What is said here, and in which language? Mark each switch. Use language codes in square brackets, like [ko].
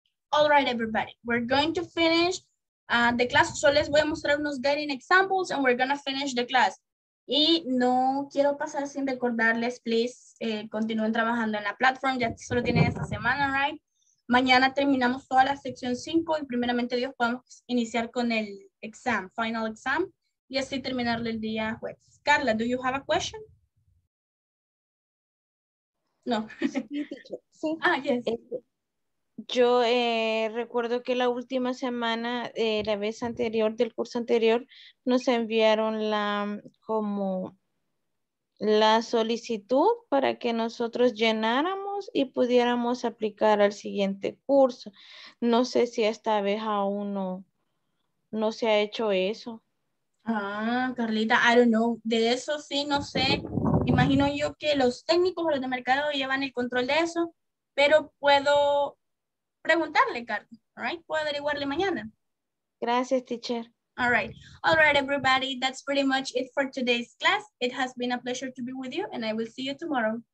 [en] All right, everybody, we're going to finish the class. So [es] les voy a mostrar unos [en] guiding examples and we're going to finish the class. [es] Y no quiero pasar sin recordarles, please, continúen trabajando en la platform. Ya solo tienen esta semana, right? Mañana terminamos toda la sección 5 y primeramente Dios podemos iniciar con el exam, final exam, y así terminarlo el día jueves. [en] Carla, do you have a question? No. [es] Sí. [en] Ah, yes. [es] Yo recuerdo que la última semana, la vez anterior, del curso anterior, nos enviaron la, como, la solicitud para que nosotros llenáramos y pudiéramos aplicar al siguiente curso. No sé si esta vez aún no, no se ha hecho eso. Ah, Carlita, [en] I don't know. [es] De eso sí, no sé. Imagino yo que los técnicos o los de mercado llevan el control de eso, pero puedo preguntarle, Carla, [en] all right? [es] Puedo averiguarle mañana. Gracias, teacher. [en] All right, everybody, that's pretty much it for today's class. It has been a pleasure to be with you, and I will see you tomorrow.